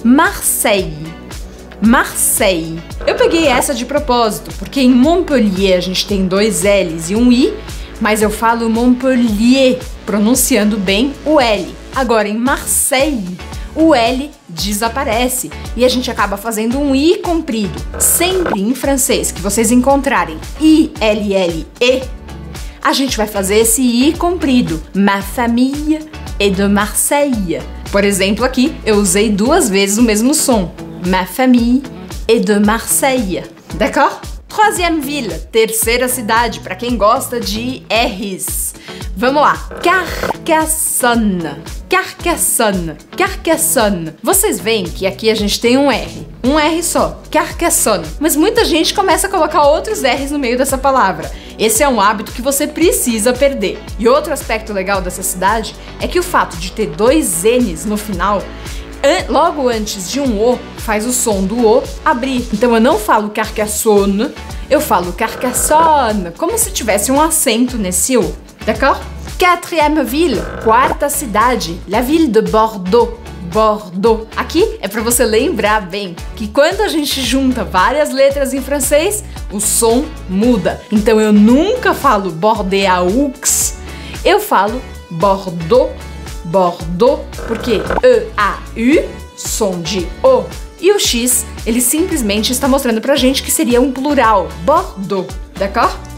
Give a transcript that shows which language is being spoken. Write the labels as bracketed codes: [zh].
[pt] Marseille. Marseille. Eu peguei essa de propósito, porque em Montpellier a gente tem dois L's e um I, mas eu falo Montpellier, pronunciando bem o L. Agora em Marseille, o L desaparece e a gente acaba fazendo um I comprido. Sempre em francês que vocês encontrarem I-L-L-E, a gente vai fazer esse I comprido. [fr] Ma famille est de Marseille. [pt] Por exemplo, aqui eu usei duas vezes o mesmo som. [fr] Ma famille est de Marseille. D'accord? Troisième ville, [pt] terceira cidade, para quem gosta de R's. Vamos lá. Carcassonne. Carcassonne. Carcassonne. Vocês veem que aqui a gente tem um R. Um R só. Carcassonne. Mas muita gente começa a colocar outros R's no meio dessa palavra. Esse é um hábito que você precisa perder. E outro aspecto legal dessa cidade é que o fato de ter dois N's no final, logo antes de um O, faz o som do O abrir. Então eu não falo Carcassonne, eu falo Carcassonne, como se tivesse um acento nesse O. [fr] D'accord? Quatrième ville, [pt] quarta cidade, [fr] la ville de Bordeaux. Bordeaux. [pt] Aqui é para você lembrar bem que quando a gente junta várias letras em francês, o som muda. Então eu nunca falo Bordeaux, eu falo Bordeaux. Bordeaux, porque E, A, U, som de O, e o X, ele simplesmente está mostrando pra gente que seria um plural, Bordeaux, [fr] d'accord?